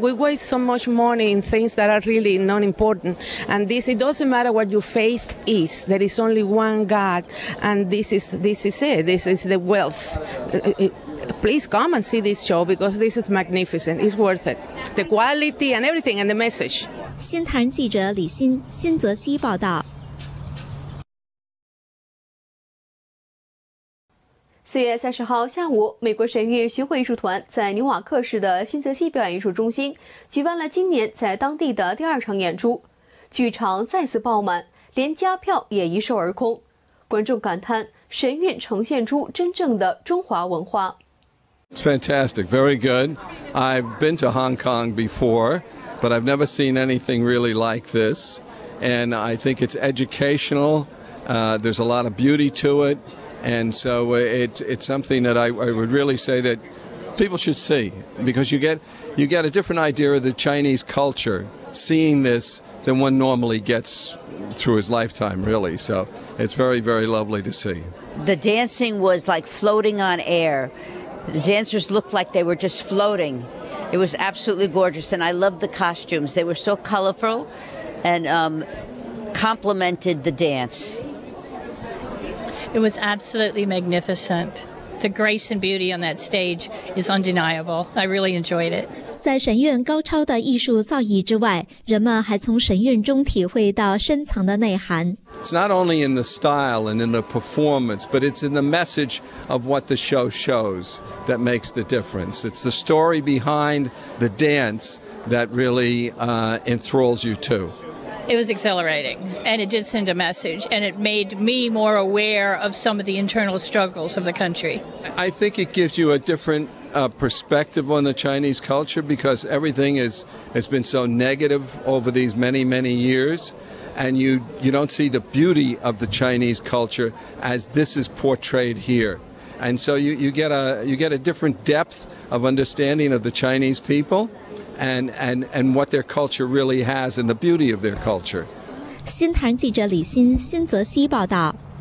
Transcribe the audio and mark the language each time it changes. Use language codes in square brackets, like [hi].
[en] We waste so much money in things that are really not important. And this, it doesn't matter what your faith is. There is only one God, and this is it. This is the wealth. Please come and see this show because this is magnificent. It's worth it. The quality and everything and the message. [zh] 新唐人记者李欣，新泽西报道。 4月30号下午，美国神韵巡回艺术团在纽瓦克市的新泽西表演艺术中心举办了今年在当地的第二场演出，剧场再次爆满，连加票也一售而空。观众感叹，神韵呈现出真正的中华文化。 [en] It's fantastic, very good. I've been to Hong Kong before, but I've never seen anything really like this. and I think it's educational. There's a lot of beauty to it, and so it's something that I would really say that people should see, because you get a different idea of the Chinese culture seeing this than one normally gets through his lifetime, really. So it's very, very lovely to see. The dancing was like floating on air. The dancers looked like they were just floating. It was absolutely gorgeous, and I loved the costumes. They were so colorful and complemented the dance. It was absolutely magnificent. The grace and beauty on that stage is undeniable. I really enjoyed it. [zh] 在神韵高超的艺术造诣之外，人们还从神韵中体会到深层的内涵。 [en] It's not only in the style and in the performance, but it's in the message of what the show shows that makes the difference. It's the story behind the dance that really enthralls you too. It was exhilarating, and it did send a message, and it made me more aware of some of the internal struggles of the country. I think it gives you a different perspective on the Chinese culture, because everything has been so negative over these many, many years. And you don't see the beauty of the Chinese culture as this is portrayed here. And so you get a different depth of understanding of the Chinese people and what their culture really has and the beauty of their culture. [zh] 新唐记者李欣，新泽西报道。